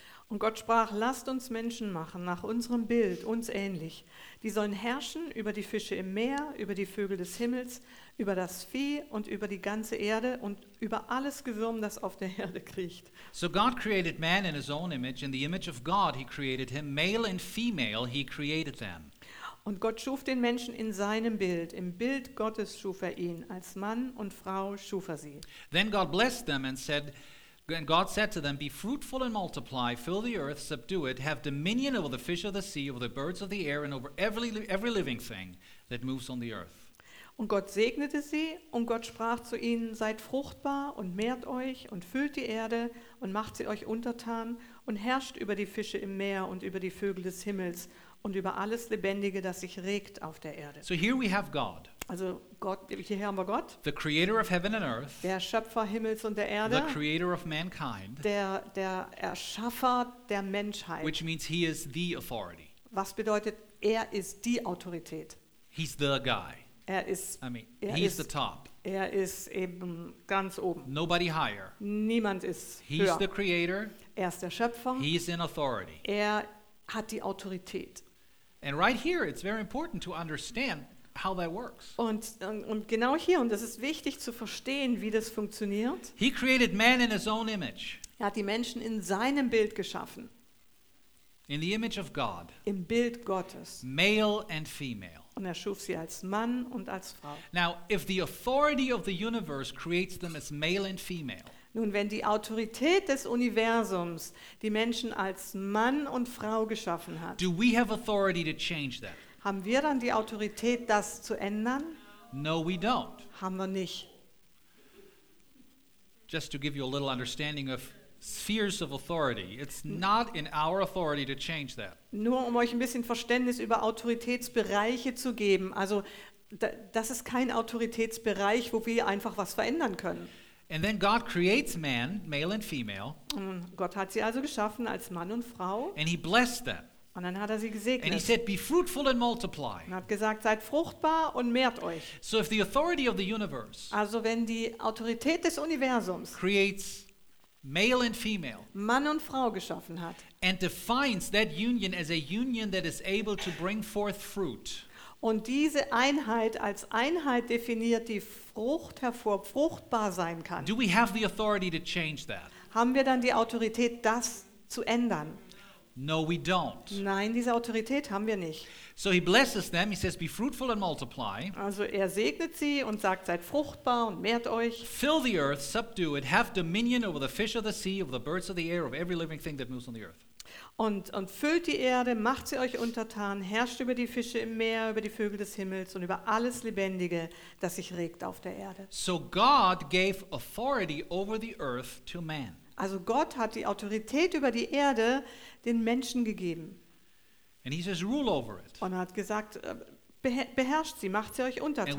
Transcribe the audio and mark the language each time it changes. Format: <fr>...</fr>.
<de>Und Gott sprach, lasst uns Menschen machen nach unserem Bild, uns ähnlich. Die sollen herrschen über die Fische im Meer, über die Vögel des Himmels, über das Vieh und über die ganze Erde und über alles Gewürm, das auf der Erde kriecht.</de> <en>So God created man in his own image, in the image of God he created him, male and female he created them.</en> <de>Und Gott schuf den Menschen in seinem Bild, im Bild Gottes schuf er ihn, als Mann und Frau schuf er sie.</de> <en>Then God blessed them and said, and God said to them, be fruitful and multiply, fill the earth, subdue it, have dominion over the fish of the sea, over the birds of the air, and over every living thing that moves on the earth.</en> <de>Und Gott segnete sie, und Gott sprach zu ihnen, seid fruchtbar und mehrt euch und füllt die Erde und macht sie euch untertan und herrscht über die Fische im Meer und über die Vögel des Himmels und über alles Lebendige, das sich regt auf der Erde.</de> <en>So here we have God.</en> <de>Also Gott, hier haben wir Gott.</de> <en>The creator of heaven and earth.</en> <de>Der Schöpfer Himmels und der Erde.</de> <en>The creator of mankind.</en> <de>Der Erschaffer der Menschheit.</de> <en>Which means he is the authority.</en> <de>Was bedeutet, er ist die Autorität.</de> <en>He's the guy.</en> <de>Er ist,</de> <en>I mean, he is the top.</en> <de>Er ist eben ganz oben.</de> <en>Nobody higher.</en> <de>Niemand ist höher.</de> <en>He's the creator.</en> <de>Er ist der Schöpfer.</de> <en>He is in authority.</en> <de>Er hat die Autorität.</de> <en>And right here it's very important to understand how that works.</en> <de>Und genau hier, und das ist wichtig zu verstehen, wie das funktioniert.</de> <en>He created man in his own image.</en> <de>Er hat die Menschen in seinem Bild geschaffen.</de> <en>In the image of God.</en> <de>Im Bild Gottes.</de> <en>Male and female.</en> <de>Und er schuf sie als Mann und als Frau.</de> <en>Now, if the authority of the universe creates them as male and female.</en> <de>Nun, wenn die Autorität des Universums die Menschen als Mann und Frau geschaffen hat.</de> <en>Do we have authority to change that?</en> <de>Haben wir dann die Autorität, das zu ändern?</de> <en>No, we don't.</en> <de>Haben wir nicht.</de> <en>Just to give you a little understanding of spheres of authority, it's not in our authority to change that.</en> <de>Nur um euch ein bisschen Verständnis über Autoritätsbereiche zu geben. Also, das ist kein Autoritätsbereich, wo wir einfach was verändern können.</de> <en>And then God creates man, male and female.</en> <de>Gott hat sie also geschaffen als Mann und Frau.</de> <en>And he blessed them.</en> <de>Und dann hat er sie gesegnet.</de> <en>And he said, be fruitful and multiply.</en> <de>Und hat gesagt, seid fruchtbar und mehrt euch.</de> <en>So if the authority of the universe,</en> <de>also wenn die Autorität des Universums,</de> <en>creates male and female,</en> <de>Mann und Frau geschaffen hat,</de> <en>and defines that union as a union that is able to bring forth fruit,</en> <de>und diese Einheit als Einheit definiert, die Frucht hervor, fruchtbar sein kann,</de> <en>do we have the authority to change that?</en> <de>Haben wir dann die Autorität, das zu ändern?</de> <en>No, we don't.</en> <de>Nein, diese Autorität haben wir nicht.</de> <en>So he blesses them. He says, "Be fruitful and multiply."</en> <de>Also er segnet sie und sagt, seid fruchtbar und mehrt euch.</de> <en>Fill the earth, subdue it, have dominion over the fish of the sea, over the birds of the air, over every living thing that moves on the earth.</en> <de>und füllt die Erde, macht sie euch untertan, herrscht über die Fische im Meer, über die Vögel des Himmels und über alles Lebendige, das sich regt auf der Erde.</de> <en>So God gave authority over the earth to man.</en> <de>Also Gott hat die Autorität über die Erde den Menschen gegeben.</de> <en>And he says, rule over it.</en> <de>Und er hat gesagt, beherrscht sie, macht sie euch untertan.</de>